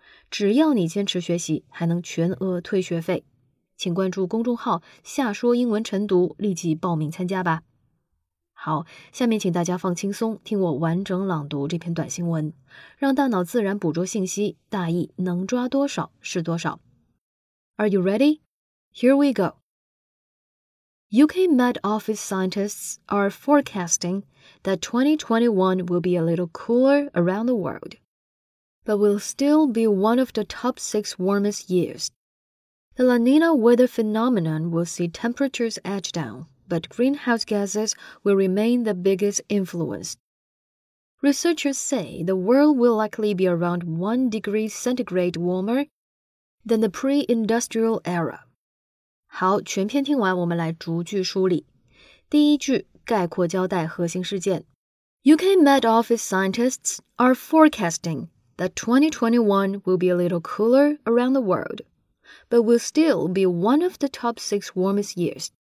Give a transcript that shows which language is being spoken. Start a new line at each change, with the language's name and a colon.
Chinese: 只要你坚持学习，还能全额退学费。请关注公众号夏说英文晨读，立即报名参加吧。好，下面请大家放轻松，听我完整朗读这篇短新闻，让大脑自然捕捉信息，大意能抓多少是多少。
English: Are you ready? Here we go. UK Met Office scientists are forecasting that 2021 will be a little cooler around the world, but will still be one of the top 6 warmest years. The La Nina weather phenomenon will see temperatures edge down, but greenhouse gases will remain the biggest influence. Researchers say the world will likely be around 1 degree centigrade warmer than the pre-industrial era.
Chinese: 好，全篇听完，我们来逐句梳理。第一句，概括交代核心事件。
English: UK Met Office scientists are forecasting that 2021 will be a little cooler around the world. But will still be one of the top 6 warmest years.